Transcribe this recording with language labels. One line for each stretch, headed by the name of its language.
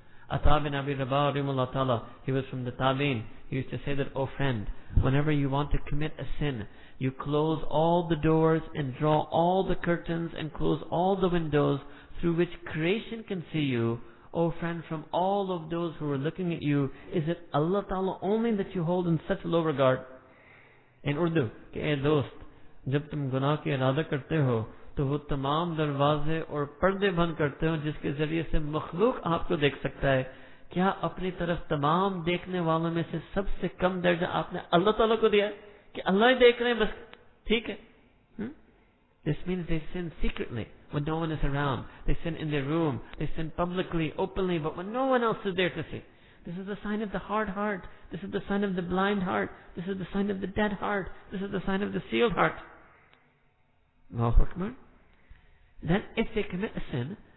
English: Atabin Abi Rabah Rimullah Ta'ala, he was from the Tabin. He used to say that, O friend, whenever you want to commit a sin, you close all the doors and draw all the curtains and close all the windows through which creation can see you. O friend, from all of those who are looking at you, is it Allah Ta'ala only that you hold in such low regard? In Urdu,
Urdu: Ke dost, jab tum gunah ki irada karte ho, تو وہ تمام دروازے اور پردے بند کرتے ہوں جس کے ذریعے سے مخلوق آپ کو دیکھ سکتا ہے. کیا اپنی طرف تمام دیکھنے والوں میں سے سب سے کم درجہ آپ نے اللہ تعالیٰ کو دیا ہے کہ اللہ ہی دیکھ رہے ہیں بس ٹھیک ہے.
English: This means they sin secretly when no one is around. They sin in their room. They sin publicly, openly, but when no one else is there to see. This is the sign of the hard heart. This is the sign of the blind heart. This is the sign of the dead heart. This is the sign of the sealed heart. Allahu Akbar. Then if they commit a sin,